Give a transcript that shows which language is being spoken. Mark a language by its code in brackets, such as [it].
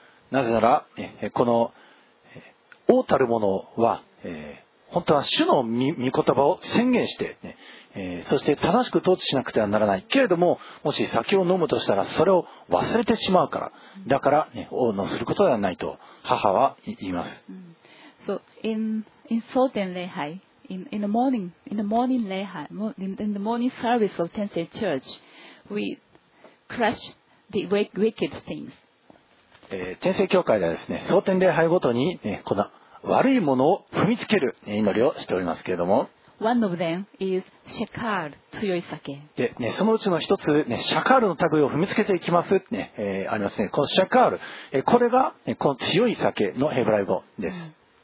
[ja] なぜなら、この王たるものは、本当は主の 御言葉を宣言して、ね、そして正しく統治しなくてはならないけれども、もし酒を飲むとしたらそれを忘れてしまうから、だから、ね、王のすることではないと母は言います、 [en] So in Southern Lehi, in the morning service of Tensei Church, we crush the wicked things. [ja] 天聖教会ではですね、蒼天礼拝ごとに、ね、この悪いものを踏みつける祈りをしておりますけれども、 [en] One of them is シェカール、 [ja] 強い酒で、ね、そのうちの一つ、ね、シャカールの類を踏みつけていきますって、ね、ありますね。このシャカール、これが、ね、この強い酒のヘブライ語です、